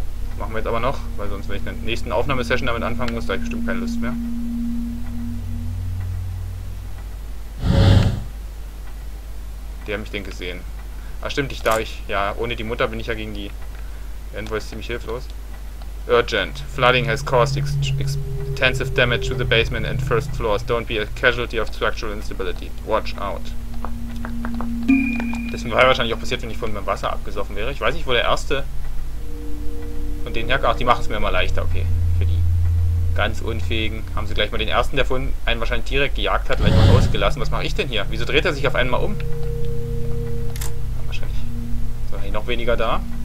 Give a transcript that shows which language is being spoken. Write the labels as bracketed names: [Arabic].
[German] Das machen wir jetzt aber noch, weil sonst, wenn ich in der nächsten Aufnahmesession damit anfangen muss, da habe ich bestimmt keine Lust mehr. Die haben mich denn gesehen. Ah, stimmt, ich darf ich. Ja, ohne die Mutter bin ich ja gegen die Envoys ziemlich hilflos. [English] Urgent. Flooding has caused extensive damage to the basement and first floors. Don't be a casualty of structural instability. Watch out. [German] Das wäre wahrscheinlich auch passiert, wenn ich von meinem Wasser abgesoffen wäre. Ich weiß nicht, wo der erste von denen herkommt. Ach, die machen es mir immer leichter, okay. Für die ganz Unfähigen. Haben sie gleich mal den ersten, der von einen wahrscheinlich direkt gejagt hat, gleich mal rausgelassen. Was mache ich denn hier? Wieso dreht er sich auf einmal um? Ja, wahrscheinlich. Ist wahrscheinlich noch weniger da.